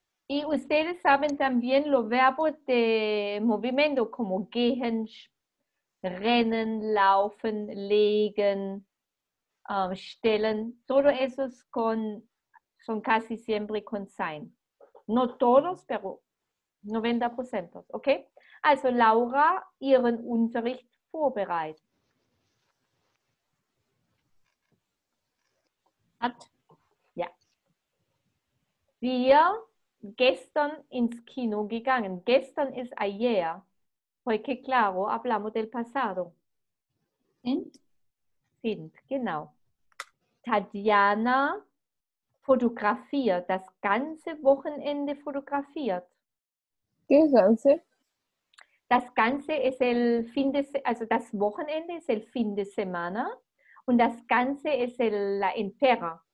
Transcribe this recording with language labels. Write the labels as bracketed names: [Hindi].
[Spanish] Y ustedes saben también los verbos de movimiento, como gehen, rennen, laufen, legen, stellen. Todo eso son casi siempre con sein. No todos, pero 90%, ok. [German] Also Laura, ihren Unterricht vorbereitet. Hat? Ja. Wir gestern ins Kino gegangen. Gestern ist [Spanish] ayer. Porque claro, hablamos del pasado. [German] Sind, genau. Tatjana fotografiert, das ganze Wochenende fotografiert. Das ganze? Das Ganze ist [Spanish] el fin de [German] also das Wochenende ist [Spanish] el fin de semana [German] und das Ganze ist [Spanish] el la entera.